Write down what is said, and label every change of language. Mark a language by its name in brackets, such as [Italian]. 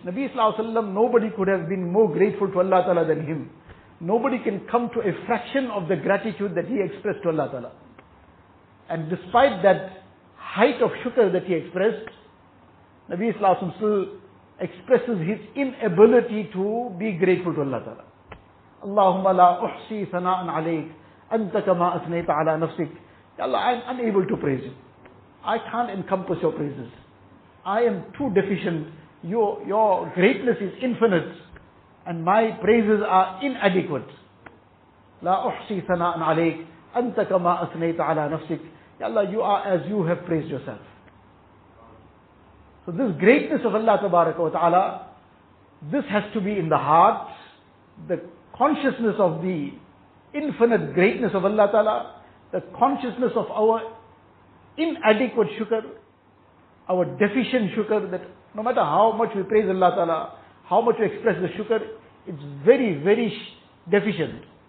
[English] Nabi Sallallahu Alaihi Wasallam, nobody could have been more grateful to Allah Ta'ala than him. Nobody can come to a fraction of the gratitude that he expressed to Allah Ta'ala. And despite that height of shukr that he expressed, Nabi Sallallahu Alaihi Wasallam still expresses his inability to be grateful to Allah Ta'ala. [Arabic] اللهم لا أحصي ثناء عليك أنت كما أثنيت على نفسك. [English] Ya Allah, I am unable to praise you. I can't encompass your praises. I am too deficient. Your greatness is infinite and my praises are inadequate. [Arabic] لا أحصي ثناء عليك أنت كما أثنيت على نفسك. [English] Ya Allah, you are as you have praised yourself. So this greatness of Allah تبارك وتعالى, this has to be in the heart, the consciousness of the infinite greatness of Allah Ta'ala, the consciousness of our inadequate shukr, our deficient shukr, that no matter how much we praise Allah Ta'ala, how much we express the shukr, it's very, very deficient.